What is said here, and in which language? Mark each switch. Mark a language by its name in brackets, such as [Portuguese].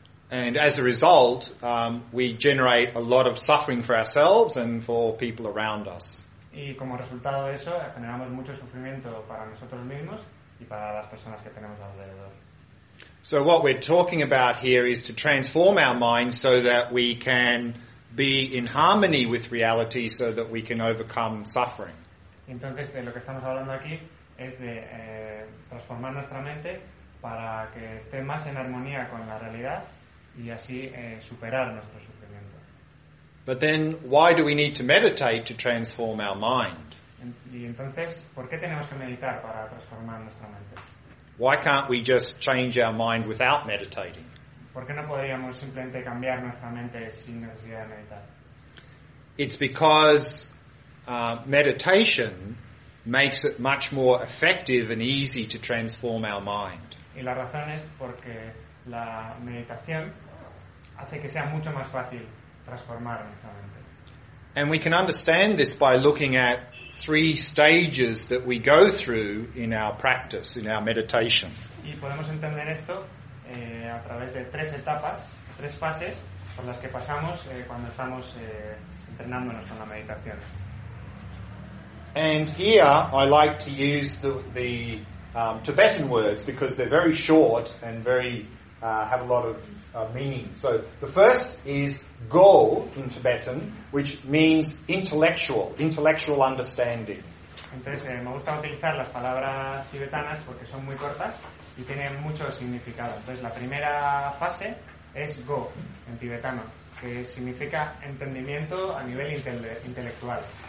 [English] And as a result, we generate a lot of suffering for ourselves and for people around us. [Spanish] Y como resultado de eso, generamos mucho sufrimiento para nosotros mismos y para las personas que tenemos alrededor. [English] So what we're talking about here is to transform our minds so that we can be in harmony with reality, so that we can overcome suffering. [Spanish] Entonces, de lo que estamos hablando aquí es de transformar nuestra mente para que esté más en armonía con la realidad y así superar nuestro sufrimiento. [English] But then, why do we need to meditate to transform our mind? [Spanish] Y entonces, ¿por qué tenemos que meditar para transformar nuestra mente? [English] Why can't we just change our mind without meditating? [Spanish] ¿Por qué no podríamos simplemente cambiar nuestra mente sin necesidad de meditar? [English] It's because meditation makes it much more effective and easy to transform our mind. [Spanish] Y la razón es porque la meditación hace que sea mucho más fácil transformar nuestra mente. [English] And we can understand this by looking at three stages that we go through in our practice, in our meditation. [Spanish] Y podemos entender esto a través de tres etapas, tres fases por las que pasamos cuando estamos entrenándonos con la meditación. [English] And here I like to use the Tibetan words because they're very short and very have a lot of meaning. So the first is go in Tibetan, which means intellectual understanding. [Spanish] Entonces me gusta utilizar las palabras tibetanas porque son muy cortas y tienen mucho significado. Entonces la primera fase es go en tibetano, que significa entendimiento a nivel intelectual.